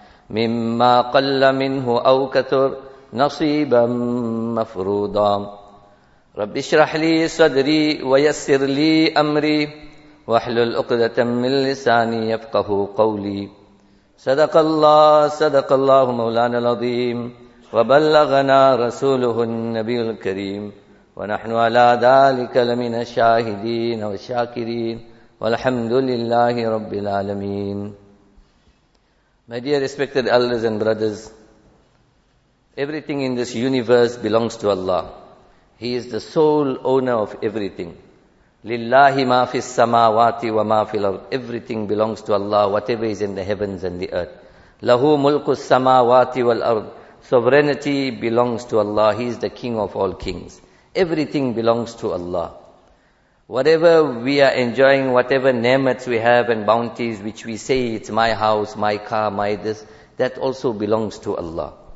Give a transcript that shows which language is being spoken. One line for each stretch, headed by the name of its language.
Arabic: مما قل منه أو كثر نصيبا مفروضا رب اشرح لي صدري ويسر لي أمري واحلل عقدة من لساني يفقه قولي صدق الله مولانا العظيم وبلغنا رسوله النبي الكريم ونحن على ذلك لمن الشاهدين والشاكرين والحمد لله رب العالمين.
English: My dear respected elders and brothers, everything in this universe belongs to Allah. He is the sole owner of everything.
Arabic: لله ما في السماوات وما في الأرض.
English: Everything belongs to Allah, whatever is in the heavens and the earth.
Arabic: له ملك السماوات والأرض.
English: Sovereignty belongs to Allah. He is the king of all kings. Everything belongs to Allah. Whatever we are enjoying, whatever ni'mats we have and bounties which we say, it's my house, my car, my this, that also belongs to Allah.